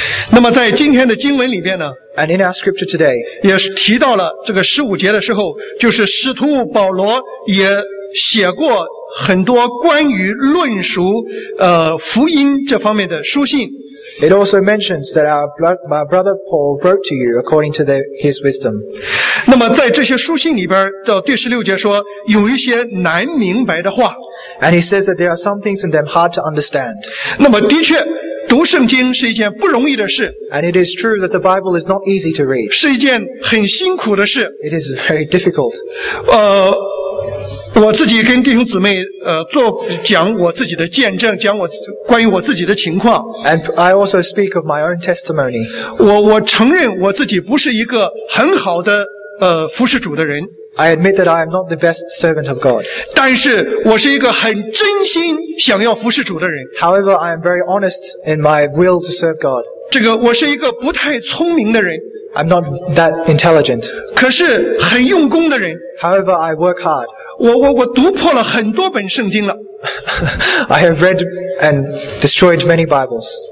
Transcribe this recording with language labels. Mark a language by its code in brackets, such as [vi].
[zh] 那么在今天的经文里边呢， [en] and in our scripture today, [zh] 也是提到了这个十五节的时候，就是使徒保罗也写过很多关于论述福音这方面的书信。 [en] It also mentions that my brother Paul wrote to you according to his wisdom. [zh] 那么在这些书信里边到第十六节说有一些难明白的话。 [en] And he says that there are some things in them hard to understand. [zh] 那么的确读圣经是一件不容易的事。 [en] And it is true that the Bible is not easy to read. [zh] 是一件很辛苦的事。 [en] It is very difficult. [zh] 我自己跟弟兄姊妹做讲我自己的见证，讲我关于我自己的情况。 [en] And I also speak of my own testimony. [zh] 我承认我自己不是一个很好的服侍主的人。 [en] I admit that I am not the best servant of God. [zh] 但是我是一个很真心想要服侍主的人。 [en] However, I am very honest in my will to serve God. [zh] 这个我是一个不太聪明的人。 [en] I'm not that intelligent. [zh] 可是很用功的人。 [en] However, I work hard. [zh] 我读破了很多本圣经了。 [en] I have read and destroyed many Bibles.